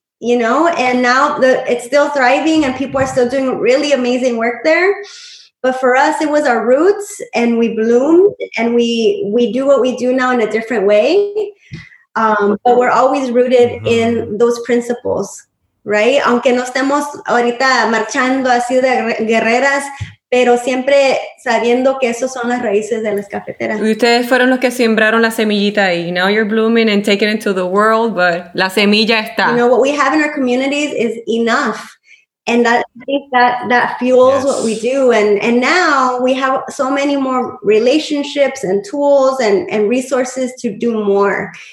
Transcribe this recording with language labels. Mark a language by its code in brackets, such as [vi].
[en] You know, and now it's still thriving and people are still doing really amazing work there. But for us, it was our roots and we bloomed and we do what we do now in a different way. But we're always rooted in those principles, right? [es] Aunque no estemos ahorita marchando así de guerreras, pero siempre sabiendo que esos son las raíces de las cafeteras. Ustedes fueron los que sembraron la semillita ahí. [en] Now you're blooming and taking it to the world, but [es] la semilla está. [en] You know, what we have in our communities is enough. And that, I think that fuels yes. what we do. And now we have so many more relationships and tools and resources to do more.